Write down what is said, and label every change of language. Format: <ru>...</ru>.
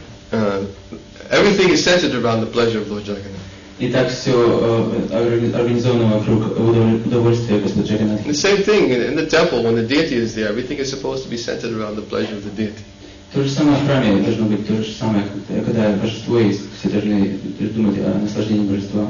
<en>So everything is centered around the pleasure of Lord Jagannath.</en> <ru>И так все организовано вокруг удовольствия Господа Джаганатхи.</ru> <en>The same thing in the temple when the deity is there, everything is supposed to be centered around the pleasure of the deity.</en> <ru>То же самое в храме должно быть то же самое, когда божество есть, все должны думать о наслаждении божества.</ru>